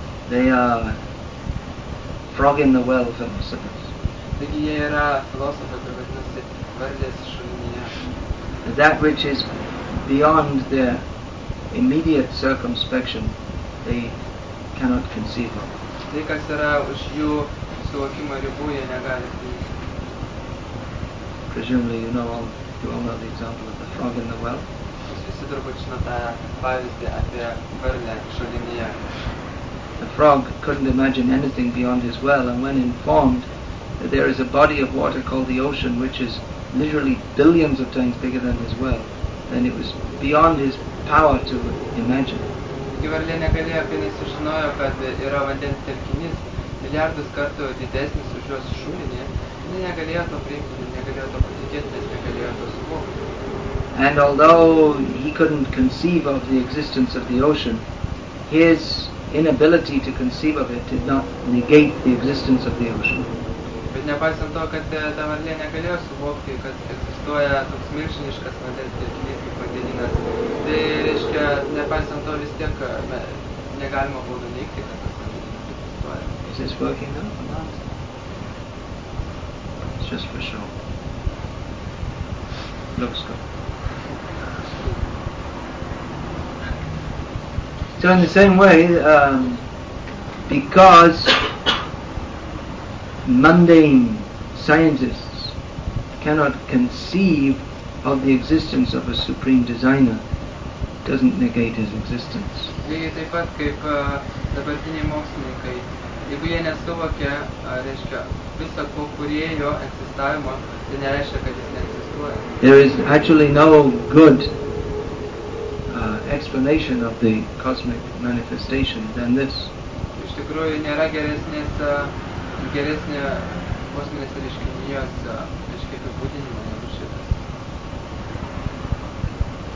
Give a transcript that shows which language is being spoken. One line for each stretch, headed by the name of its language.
English: They are frog in the well for themselves.
Lithuanian: Taigi jie yra filosofai, kurie vadinasi vardės šulinyje.
English: That which is beyond their immediate circumspection, they cannot conceive of.
Lithuanian: Tai, kas yra už jų suvokimo ribų, jie negali priimti.
English: Presumably you all know the example of the frog in the well.
Lithuanian: Visi turbūt žino tą pavyzdį apie varlę šulinyje.
English: The frog couldn't imagine anything beyond his well, and when informed that there is a body of water called the ocean, which is literally billions of times bigger than his well, then it was beyond his power to imagine.
Lithuanian: Varlė negalėjo, kai nesužinojo, kad yra vandens telkinys milijardus kartų didesnis už jos šulinį, ji negalėjo to priimti, negalėjo to patikėti, nes negalėjo to suvokti.
English: And although he couldn't conceive of the existence of the ocean, his inability to conceive of it did not negate the existence of the ocean.
Lithuanian: Bet nepaisant to, kad ta varlė negalėjo suvokti, kad egzistuoja toks milžiniškas vandens telkinys kaip vandenynas, tai reiškia, nepaisant to, vis tiek negalima būtų neigti, kad tas vandenynas egzistuoja.
English: Is this working now? It's just for show. Looks good. So in the same way, because mundane scientists cannot conceive of the existence of a supreme designer, doesn't negate his existence.
Lithuanian: Lygiai taip pat kaip dabartiniai mokslininkai, jeigu jie nesuvokia, reiškia, viso ko kūrėjo egzistavimo, tai nereiškia, kad jis neegzistuoja.
English: There is actually no good explanation of the cosmic manifestation than this.
Lithuanian: Iš tikrųjų nėra geresnė kosminės reiškinijos reiškinių būdinimo negu šitas.